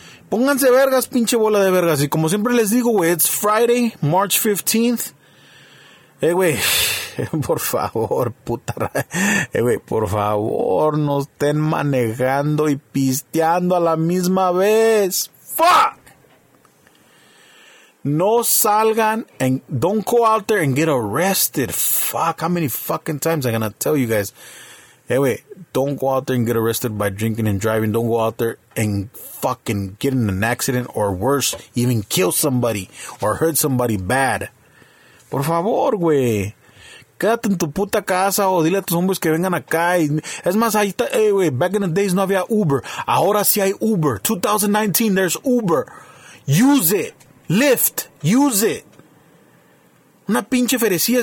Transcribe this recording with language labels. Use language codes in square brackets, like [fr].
[es] Pónganse vergas, pinche bola de vergas. Y como siempre les digo, güey, it's Friday, March 15th. Güey. Por favor, puta raza. Güey, por favor, no estén manejando y pisteando a la misma vez. [en] Fuck. No salgan and don't go out there and get arrested. Fuck, how many fucking times I'm gonna tell you guys. Güey, don't go out there and get arrested by drinking and driving. Don't go out there and fucking get in an accident or worse, even kill somebody or hurt somebody bad. [es] Por favor, güey. Quédate en tu puta casa o dile a tus hombres que vengan acá. Y, es más, ahí está. Hey, güey, back in the days no había Uber. Ahora sí hay Uber. [en] 2019, there's Uber. Use it. Lyft. Use it. Una pinche ferecía.